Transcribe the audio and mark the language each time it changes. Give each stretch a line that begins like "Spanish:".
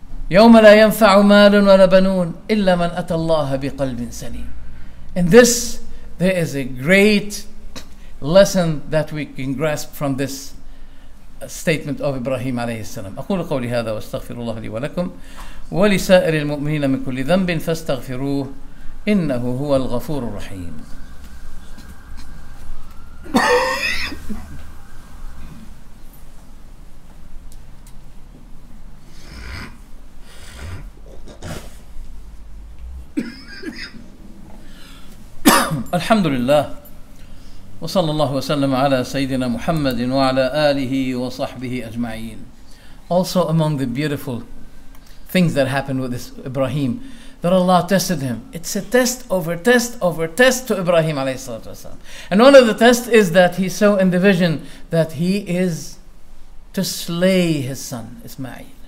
Arabic: يَوْمَ لَا يَنْفَعُ مَالٌ وَلَا بَنُونَ إِلَّا مَنْ أَتَى اللَّهَ بِقَلْبٍ سَلِيمٍ.
English: In this, there is a great lesson that we can grasp from this statement of Ibrahim alayhi salam.
Arabic: أقول قولي هذا واستغفر الله لي ولكم ولسائر المؤمنين من كل ذنب فاستغفروه إنه هو الغفور الرحيم. الحمد لله وصلى الله وسلم على سيدنا محمد وعلى آله وصحبه أجمعين.
English: Also among the beautiful things that happened with this Ibrahim, that Allah tested him. It's a test over test over test to Ibrahim alayhi salatu wasalam. And one of the tests is that he saw in the vision that he is to slay his son Ismail.